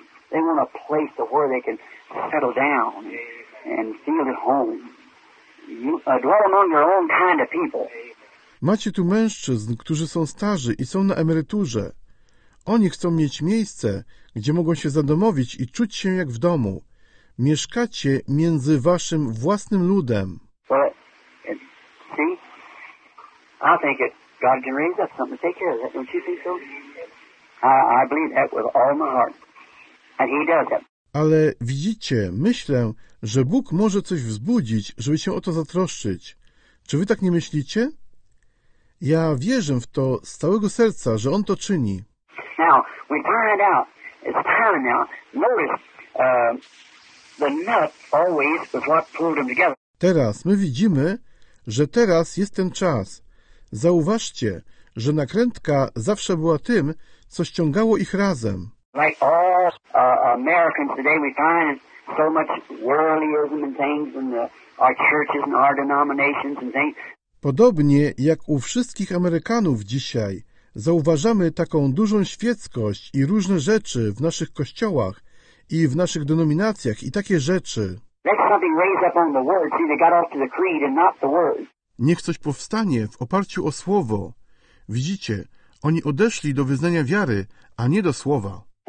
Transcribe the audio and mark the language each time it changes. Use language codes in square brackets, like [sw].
[en] They want a place to where they can settle down and feel at home. Dwell among your own kind of people. [pl] Macie tu mężczyzn, którzy są starzy i są na emeryturze. Oni chcą mieć miejsce, gdzie mogą się zadomowić i czuć się jak w domu. Mieszkacie między waszym własnym ludem. [en] But, see, I think God can raise up something to take care of that. Don't you think so? I believe that with all my heart. [pl] Ale widzicie, myślę, że Bóg może coś wzbudzić, żeby się o to zatroszczyć. Czy wy tak nie myślicie? Ja wierzę w to z całego serca, że On to czyni. [en] Now, we find out, it's time now. Notice, the nut always is what pulled them together. [pl] Teraz my widzimy, że teraz jest ten czas. Zauważcie, że nakrętka zawsze była tym, co ściągało ich razem. [en] Like all Americans today, we find so much worldlyism and things in our churches and our denominations and things. [pl] Podobnie jak u wszystkich Amerykanów dzisiaj, zauważamy taką dużą świeckość i różne rzeczy w naszych kościołach i w naszych denominacjach i takie rzeczy. [en] Let something raise up on the word. See, they got off to the creed and not the word. [pl] Niech coś powstanie w oparciu o słowo. Widzicie, oni odeszli do wyznania wiary, a nie do słowa.